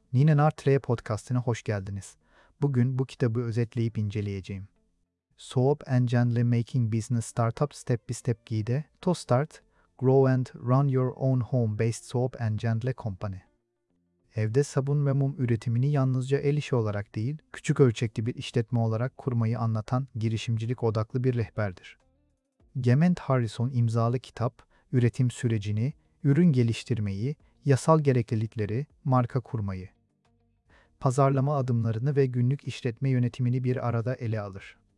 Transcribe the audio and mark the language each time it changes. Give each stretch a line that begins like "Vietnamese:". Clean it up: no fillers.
Turkish: Nina Nartre Podcast'ine hoş geldiniz. Bugün bu kitabı özetleyip inceleyeceğim.
English: Soap and Gently Making Business Startup Step by Step Guide to Start, Grow and Run Your Own Home Based Soap and Gently Company.
Turkish: Evde sabun ve mum üretimini yalnızca el işi olarak değil, küçük ölçekli bir işletme olarak kurmayı anlatan girişimcilik odaklı bir rehberdir. Gement Harrison imzalı kitap, üretim sürecini, ürün geliştirmeyi, yasal gereklilikleri, marka kurmayı, pazarlama adımlarını ve günlük işletme yönetimini bir arada ele alır.